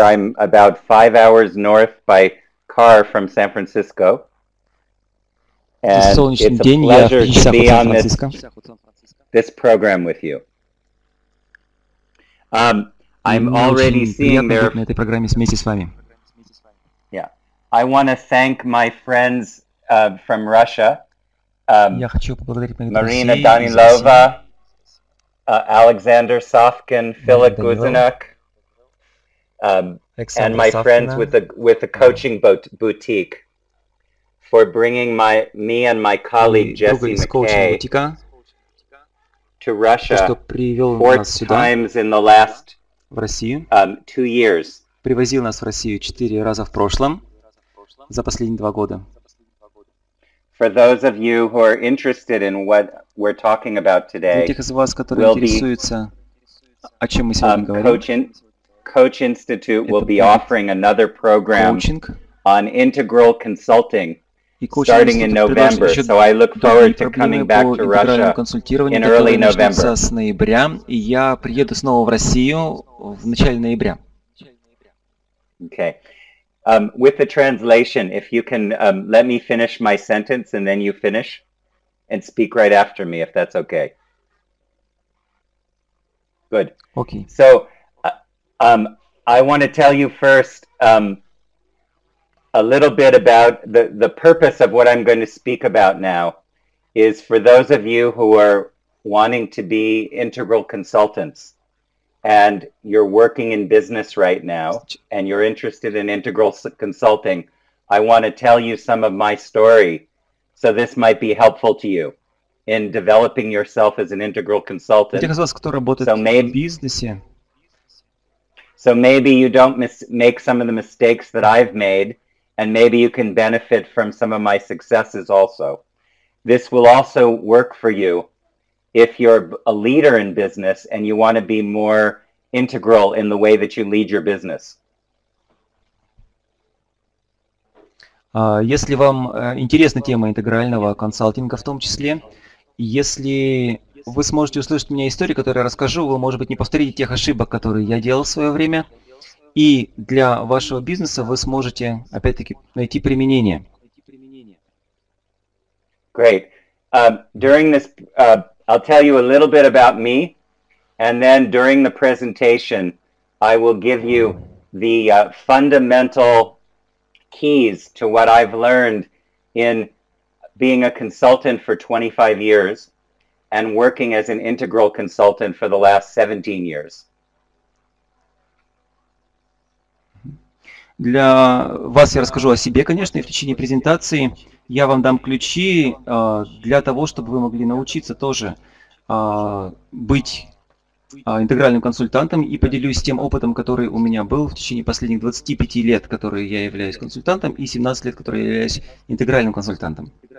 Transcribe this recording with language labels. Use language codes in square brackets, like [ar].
[en] I'm about 5 hours north by car from San Francisco. And it's a pleasure to be on this program with you. I'm already seeing there. [ru] На этой программе вместе с вами. [en] Yeah. I want to thank my friends from Russia. [ru] Я хочу поблагодарить моих друзей. [en] Марина Данилова, Alexander Sofkin, Philip Guzinuk, and my friends with the coaching boutique for bringing me and my colleague Jesse McKay to Russia four times in the last 2 years. [ru] Привозил нас в Россию 4 раза в прошлом за последние 2 года. [en] For those of you who are interested in what we're talking about today, [ru] для тех из вас, которые интересуются, о чем мы сегодня говорим, [en] Coach Institute will be offering another program on integral consulting starting in November. So I look forward to coming back to Russia in early November. [ru] С ноября, и я приеду снова в Россию в начале ноября. [en] Okay. With the translation, if you can let me finish my sentence and then you finish and speak right after me, if that's okay. Good. Okay. So I want to tell you first a little bit about the purpose of what I'm going to speak about now is for those of you who are wanting to be integral consultants. And you're working in business right now, and you're interested in integral consulting, I want to tell you some of my story, so this might be helpful to you in developing yourself as an integral consultant. [ru] Для тех из вас, кто работает в бизнесе. [en] So maybe you don't make some of the mistakes that I've made, and maybe you can benefit from some of my successes also. This will also work for you. If you're a leader in business and you want to be more integral in the way that you lead your business. [ru] Если вам интересна тема интегрального консалтинга в том числе, если вы сможете услышать у меня историю, которую я расскажу, вы, может быть, не повторите тех ошибок, которые я делал в свое время, и для вашего бизнеса вы сможете, опять-таки, найти применение. [en] Great. During this... I'll tell you a little bit about me. And then during the presentation, I will give you the fundamental keys to what I've learned in being a consultant for 25 years and working as an integral consultant for the last 17 years. [ru] Для вас я расскажу о себе, конечно, и в течение презентации я вам дам ключи для того, чтобы вы могли научиться тоже быть интегральным консультантом, и поделюсь тем опытом, который у меня был в течение последних 25 лет, которые я являюсь консультантом, и 17 лет, которые я являюсь интегральным консультантом.